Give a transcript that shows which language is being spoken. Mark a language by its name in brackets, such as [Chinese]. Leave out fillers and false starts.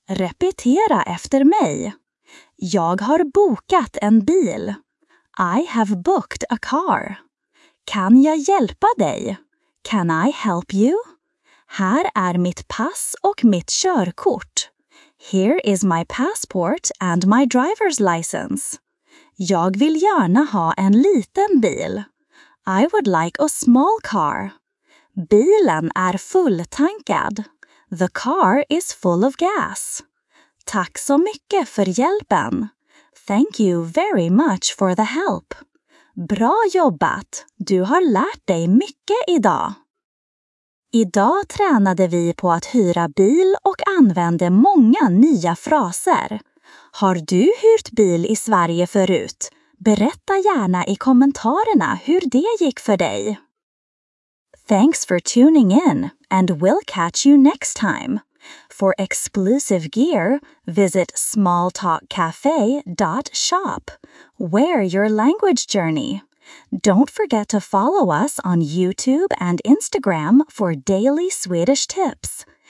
[Swedish] Repetera efter mig. Jag har bokat en bil. [English] I have booked a car. [Swedish] Kan jag hjälpa dig? [English] Can I help you? [Swedish] Här är mitt pass och mitt körkort. [English] Here is my passport and my driver's license. [Swedish] Jag vill gärna ha en liten bil. [English] I would like a small car. [Swedish] Bilen är fulltankad. [English] The car is full of gas. [Swedish] Tack så mycket för hjälpen. [English] Thank you very much for the help. [Swedish] Bra jobbat. Du har lärt dig mycket idag. Idag tränade vi på att hyra bil och använde många nya fraser. Har du hyrt bil i Sverige förut? Berätta gärna i kommentarerna hur det gick för dig. [English] Thanks for tuning in and we'll catch you next time. For exclusive gear, visit smalltalkcafe.shop, where your language journey. Don't forget to follow us on YouTube and Instagram for daily Swedish tips.